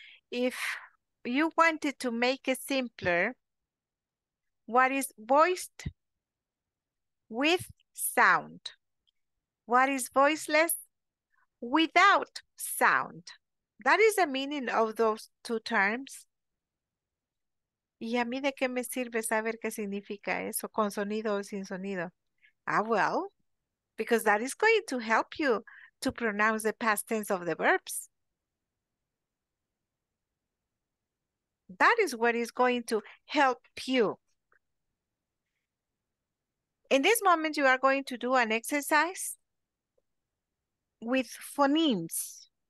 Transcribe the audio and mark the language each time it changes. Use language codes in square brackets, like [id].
[en] If you wanted to make it simpler, what is voiced with sound? What is voiceless without sound? That is the meaning of those two terms. [es] ¿Y a mí de qué me sirve saber qué significa eso, con sonido o sin sonido? [en] Ah, well, because that is going to help you to pronounce the past tense of the verbs. That is what is going to help you. In this moment, you are going to do an exercise with phonemes.